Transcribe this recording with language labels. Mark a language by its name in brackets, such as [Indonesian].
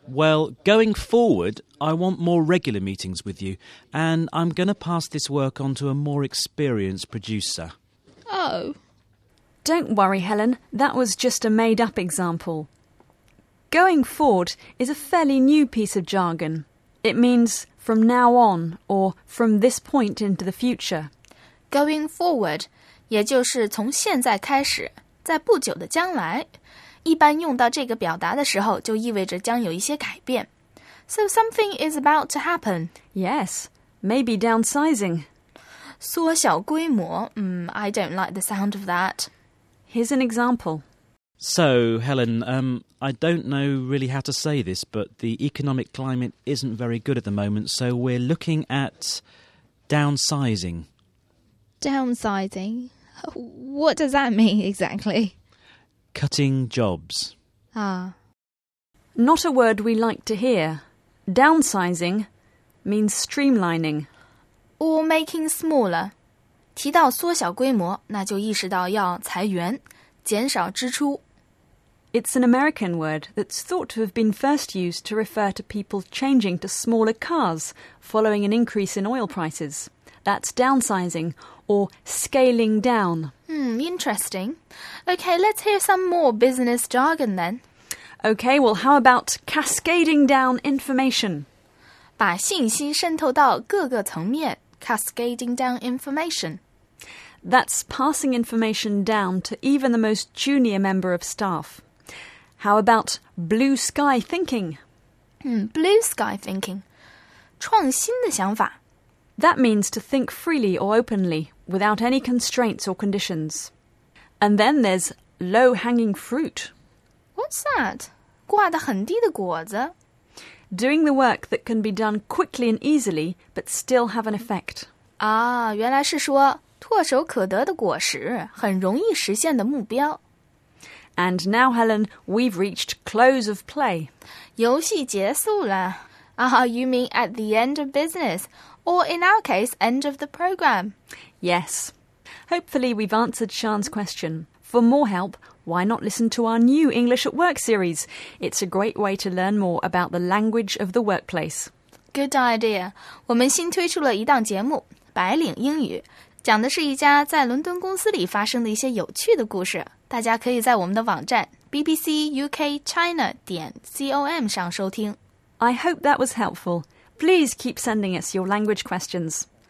[English] Well, going forward, I want more regular meetings with you, and I'm going to pass this work on to a more experienced producer. Oh. Don't worry, Helen. That was just a made-up example. Going forward is a fairly new piece of jargon. It means from now on, or from this point into the future. Going forward... [Chinese] 也就是从现在开始，在不久的将来，一般用到这个表达的时候，就意味着将有一些改变。 [English] So something is about to happen. Yes, maybe downsizing. [Chinese] 缩小规模， [English] I don't like the sound of that. Here's an example. So, Helen, I don't know really how to say this, but the economic climate isn't very good at the moment, so we're looking at downsizing. Downsizing? What does that mean exactly? Cutting jobs. Ah. Not a word we like to hear. Downsizing means streamlining. Or making smaller. [Chinese] 提到缩小规模,那就意识到要裁员,减少支出。 [English] It's an American word that's thought to have been first used to refer to people changing to smaller cars following an increase in oil prices. That's downsizing, or scaling down. Interesting. Okay, let's hear some more business jargon then. Okay, well, how about cascading down information? [Chinese] 把信息渗透到各个层面, [English] cascading down information. That's passing information down to even the most junior member of staff. How about blue sky thinking? Blue sky thinking. [Chinese] 创新的想法。 [English] That means to think freely or openly, without any constraints or conditions. And then there's low-hanging fruit. What's that? [Chinese] 挂得很低的果子? [English] Doing the work that can be done quickly and easily, but still have an effect. [Chinese] 啊，原来是说唾手可得的果实，很容易实现的目标。 [English] And now, Helen, we've reached close of play. [Chinese] 游戏结束了。 [English] Ah, you mean at the end of business, or in our case, end of the program. Yes. Hopefully we've answered Sean's question. For more help, why not listen to our new English at Work series? It's a great way to learn more about the language of the workplace. Good idea. [Chinese] 我们新推出了一档节目《白领英语》，讲的是一家在伦敦公司里发生的一些有趣的故事。大家可以在我们的网站 bbcukchina.com 上收听。 [English] I hope that was helpful. Please keep sending us your language questions.